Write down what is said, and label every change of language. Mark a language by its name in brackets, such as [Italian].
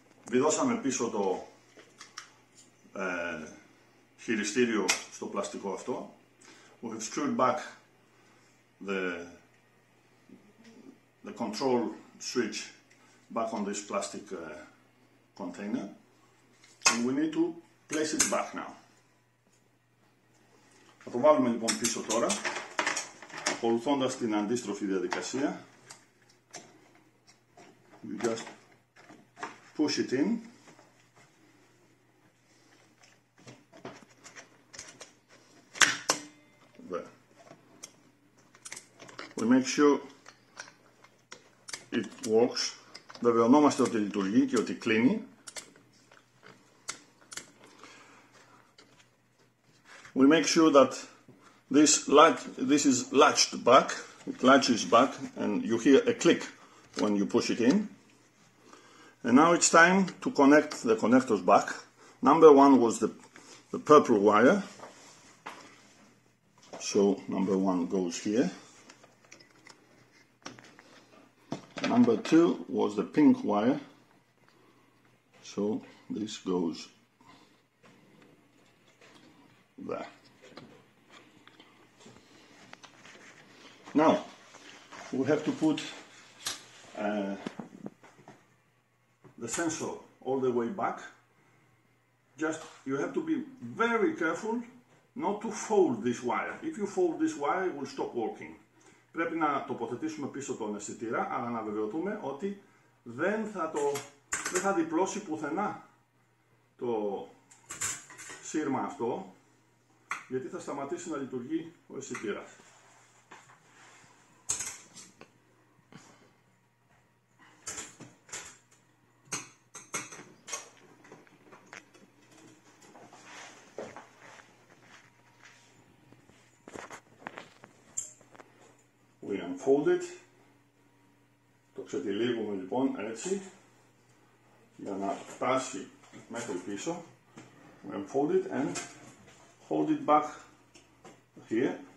[Greek] Βιδώσαμε πίσω το χειριστήριο στο πλαστικό αυτό. [English] We have screwed back the control switch back on this plastic container. And we need to place it back now. [Greek] Θα το βάλουμε λοιπόν πίσω τώρα, ακολουθώντας την αντίστροφη διαδικασία. [English] You just push it in. We make sure it works. [Greek] Βεβαιωνόμαστε ότι λειτουργεί και ότι κλείνει. [English] We make sure that this is latched back. It latches back and you hear a click when you push it in. And now it's time to connect the connectors back. Number one was the purple wire. So number one goes here. Number two was the pink wire, so this goes there. Now we have to put the sensor all the way back. Just you have to be very careful not to fold this wire. If you fold this wire, it will stop working. [Greek] Πρέπει να τοποθετήσουμε πίσω τον αισθητήρα, αλλά να βεβαιωθούμε ότι δεν θα διπλώσει πουθενά το σύρμα αυτό, γιατί θα σταματήσει να λειτουργεί ο αισθητήρας. [English] Fold it. [Greek] Το ξετυλίγουμε λοιπόν έτσι για να φτάσει μέχρι πίσω. [English] We unfold it and hold it back here.